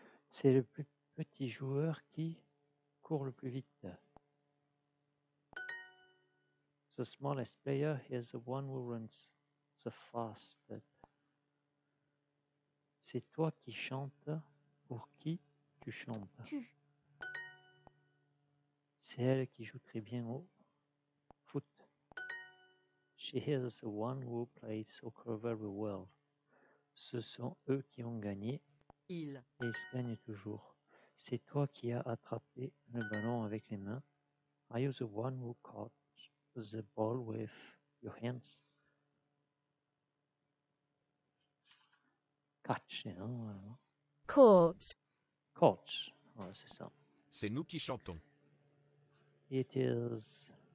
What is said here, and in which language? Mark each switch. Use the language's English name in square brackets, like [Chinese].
[French] C'est le plus petit joueur qui court le plus vite. [English] The smallest player is the one who runs the fastest. [French] C'est toi qui chantes, pour qui tu chantes? Tu. C'est elle qui joue très bien au foot. [English] She is the one who plays soccer very well. [French] Ce sont eux qui ont gagné Il. et ils gagnent toujours. C'est toi qui as attrapé le ballon avec les mains. [English] Are you the one who caught the ball with your hands? Catch, non? [French] Court. Coach, oh, c'est ça. C'est nous qui chantons. [English] It is.